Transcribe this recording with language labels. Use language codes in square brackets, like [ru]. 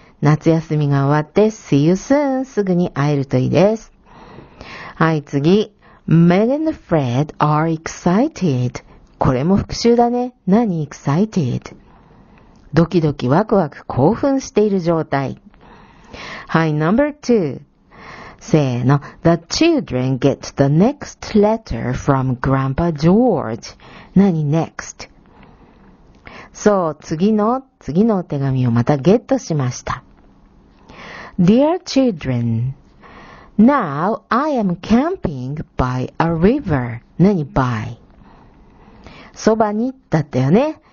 [ja] 夏休みが終わって [en] See you soon [ja] すぐに会えるといいです。はい、次。 [en] Meg and Fred are excited. [ja] これも復習だね。何 excited? ドキドキワクワク興奮している状態。はい、Number 2. せーの。 [en] The children get the next letter from Grandpa George. [ja] 何 next? そう、次のお手紙をまたゲットしました。 [en] Dear children, now I am camping by a river. [ja] 何 by? そばにだったよね。